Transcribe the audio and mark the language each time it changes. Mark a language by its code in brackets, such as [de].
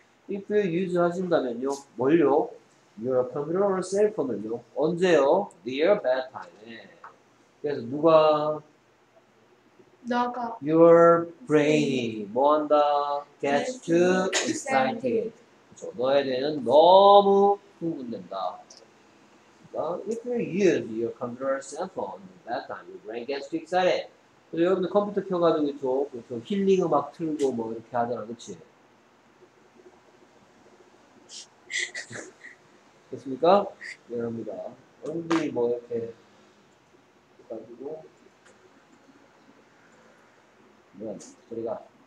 [en] If you use [ko] 하신다면요. 뭘요? [en] Your computer or cell phone을요. [ko] 언제요? [en] Near bedtime [ko] 에. 그래서 누가? 나가. [en] Your brain이 [ko] 뭐한다? [en] Gets too excited. [ko] 그렇죠. 너에 대해는 너무 흥분된다. 그러니까 [en] if you use your computer cell phone in that time, your brain gets too excited. [ko] 그래서 여러분들 컴퓨터 켜가지고 있죠? 그렇죠. 힐링 음악 틀고 뭐 이렇게 하잖아. 그치? 됐습니까? 이랍니다. 여러분들이 뭐 이렇게 해가지고 네, 저희가